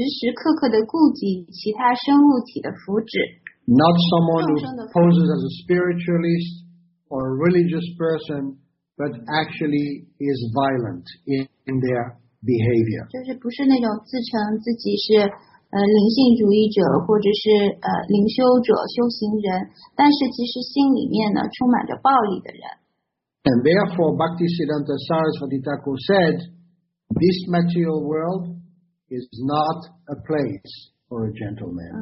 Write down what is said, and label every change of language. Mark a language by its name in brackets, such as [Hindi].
[Chinese] 就是他的这个行为举止不仅仅是完全严格的遵循经典去做的，而且他会时时刻刻的顾及其他生物体的福祉。 [English] Not someone who poses as a spiritualist or a religious person, but actually is violent in their behavior. [Chinese] 就是不是那种自称自己是灵性主义者或者是灵修者、修行人，但是其实心里面呢充满着暴力的人。 [English] And therefore, Bhaktisiddhanta Sarasvati Thakur said, "This material world is not a place." Or a gentleman.